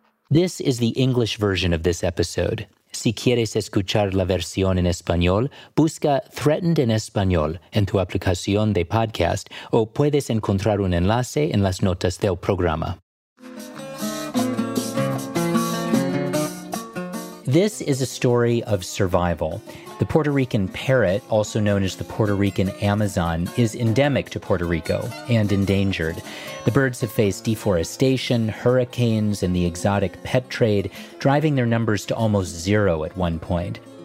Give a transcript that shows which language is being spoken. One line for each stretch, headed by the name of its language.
English: This is the English version of this episode.
Spanish: Si quieres escuchar la versión en español, busca Threatened en Español en tu aplicación de podcast o puedes encontrar un enlace en las notas del programa.
English: This is a story of survival. The Puerto Rican parrot, also known as the Puerto Rican Amazon, is endemic to Puerto Rico and endangered. The birds have faced deforestation, hurricanes, and the exotic pet trade, driving their numbers to almost zero at one point.